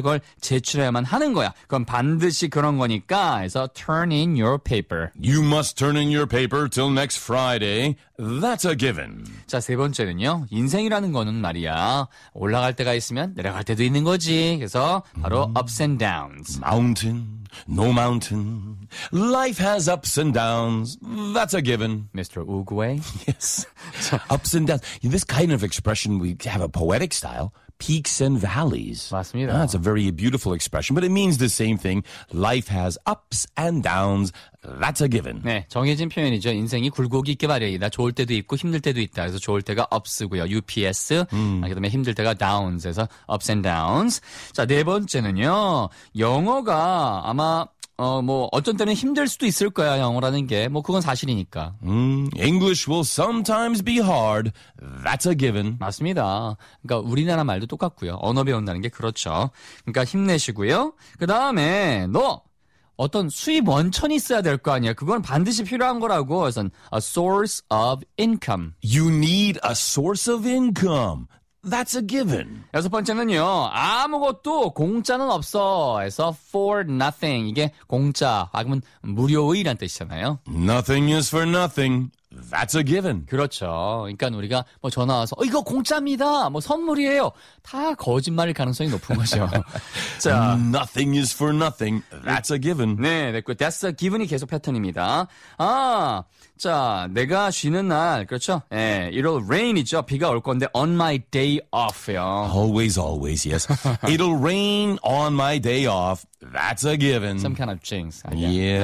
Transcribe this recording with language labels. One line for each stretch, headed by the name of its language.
Korean: 그걸 제출해야만 하는 거야. 그건 반드시 그런 거니까. 그래서
English: turn in your paper. You must turn in your paper till next Friday. That's a given.
Korean: 자, 세 번째는요. 인생이라는 거는 말이야. 올라갈 때가 있으면 내려갈 때도 있는 거지. 그래서 바로
English: ups and downs. Mountain, no mountain. Life has ups and downs. That's a given. Mr. Oogway. Yes. Ups and downs. In this kind of expression, we have a poetic style. Peaks and valleys.
Korean: 맞습니다.
English: That's a very beautiful expression, but it means the same thing. Life has ups and downs. That's a given.
Korean: 네, 정해진 표현이죠. 인생이 굴곡이 있게 마련이다. 좋을 때도 있고 힘들 때도 있다. 그래서 좋을 때가 ups고요. Ups. 그다음에 힘들 때가 downs에서 ups and downs. 자, 네 번째는요. 영어가 아마 뭐 어떤 때는 힘들 수도 있을 거야 영어라는 게 뭐 그건 사실이니까.
English: English will sometimes be hard. That's a given.
Korean: 맞습니다. 그러니까 우리나라 말도 똑같고요. 언어 배운다는 게 그렇죠. 그러니까 힘내시고요. 그 다음에 너 어떤 수입 원천이 있어야 될 거 아니야. 그건 반드시 필요한 거라고. 우선
English: a source of income. You need a source of income. That's a given.
Korean: 여섯 번째는요. 아무것도 공짜는 없어. 해서
English: for nothing.
Korean: 이게 공짜. 아니면 무료의란 뜻이잖아요.
English: Nothing is for nothing. That's a given.
Korean: 그렇죠. 그러니까 우리가 뭐 전화 와서 이거 공짜입니다. 뭐 선물이에요. 다 거짓말일 가능성이 높은 거죠.
English: 자, nothing is for nothing. That's a given.
Korean: 네, 됐고
English: that's a given
Korean: 이 계속 패턴입니다. 아, 자, 내가 쉬는 날 그렇죠.
English: 예, 네, it'll rain이죠.
Korean: 비가 올 건데
English: on my day off요. Always, always, yes. It'll rain on my day off. That's a given. Some kind of jinx. Yeah.